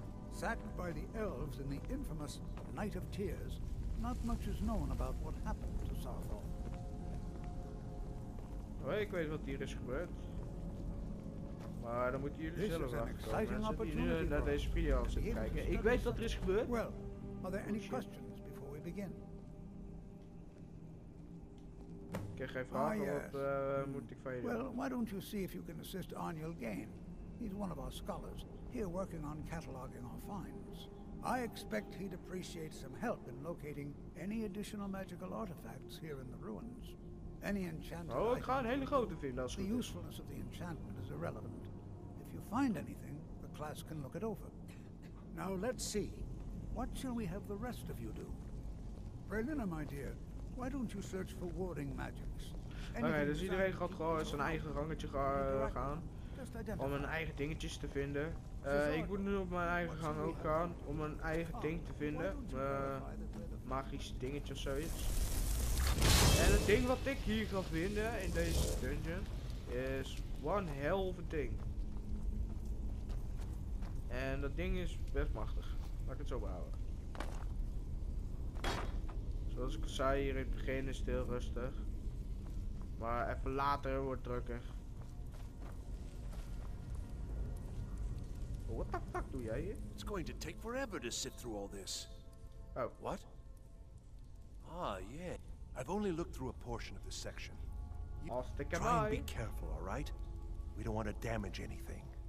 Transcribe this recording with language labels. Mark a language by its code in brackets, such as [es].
[en] Sacked by the elves in the infamous Night of Tears, not much is known about what happened to Sarthor. [nl] Oh, ik weet wat hier is gebeurd. Maar dan moeten jullie zelf wachten komen, die nu naar deze video zitten kijken. Ik weet wat er is gebeurd. [en] Well, are there any questions before we begin? [nl] Ik heb geen vragen, moet ik van je doen? [en] Well, why don't you see if you can assist Arniel Gain? He's one of our scholars, here working on cataloging our finds. I expect he'd appreciate some help in locating any additional magical artifacts here in the ruins. Any enchanted [nl] items. Oh, ik ga een hele grote vinden als goed. [en] The usefulness of the enchantment is irrelevant. Find anything, the class can look it over. Now let's see. What shall we have the rest of you do? Brelina, my dear, why don't you search for warding magics? [nl] Okay, dus iedereen gaat gewoon zijn eigen gangetje gaan. Om een eigen dingetjes te vinden. Ik moet nu op mijn eigen gang ook gaan. Om een eigen ding te vinden. Magisch dingetje of zoiets. En het ding wat ik hier ga vinden in deze dungeon is [en] one hell of a thing. [nl] En dat ding is best machtig. Laat ik het zo behouden. Zoals ik zei, hier in het begin is het heel rustig. Maar even later wordt het drukker. [en] What the fuck [nl] doe jij hier? [en] It's going to take forever to sit through all this. Oh. What? Ah, yeah. I've only looked through a portion of this section. Try and be careful, alright? We don't want to damage anything.